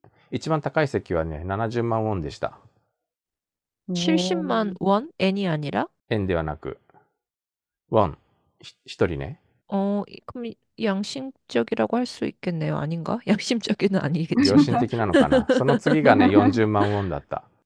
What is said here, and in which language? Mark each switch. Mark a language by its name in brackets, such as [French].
[Japanese] 一番高い席はね、70万ウォンでした。 [Korean] 70만 원? 엔이 아니라? [Japanese] 円ではなく、ワン、一人ね。 [Korean] 그럼 양심적이라고 할수 있겠네요. 아닌가? 양심적인 [Japanese] 良心 [Korean] 아니겠지만. [Japanese] 的なのかな。その次がね、40万ウォンだった。